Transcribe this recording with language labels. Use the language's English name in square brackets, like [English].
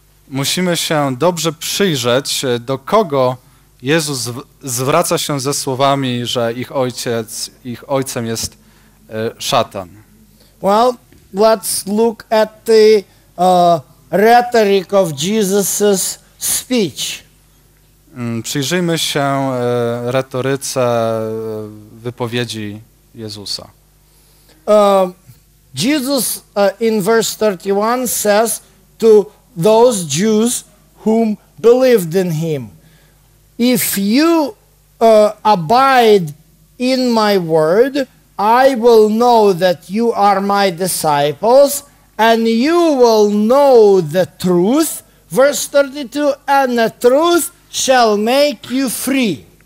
[Polish] Musimy się dobrze przyjrzeć, do kogo Jezus zwraca się ze słowami, że ich ojcem jest szatan. [English] Well, let's look at the rhetoric of Jesus's speech. [Polish] Przyjrzyjmy się retoryce wypowiedzi Jezusa. [English] Jesus in verse 31 says to those Jews whom believed in him, if you abide in my word, I will know that you are my disciples, and you will know the truth, verse 32, and the truth shall make you free.